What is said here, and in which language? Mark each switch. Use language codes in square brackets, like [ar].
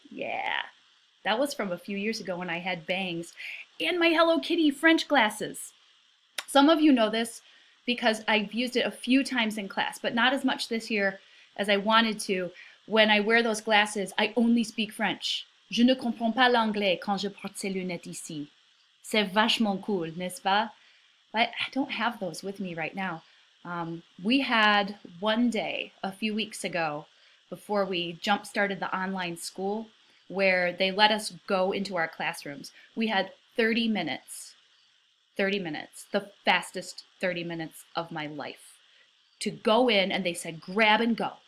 [en] Yeah, that was from a few years ago when I had bangs and my Hello Kitty French glasses. Some of you know this because I've used it a few times in class, but not as much this year as I wanted to. When I wear those glasses, I only speak French. [fr] Je ne comprends pas l'anglais quand je porte ces lunettes ici. C'est vachement cool, n'est-ce pas? [en] But I don't have those with me right now. We had one day a few weeks ago before we jump-started the online school where they let us go into our classrooms. We had 30 minutes, 30 minutes, the fastest 30 minutes of my life to go in, and they said, grab and go.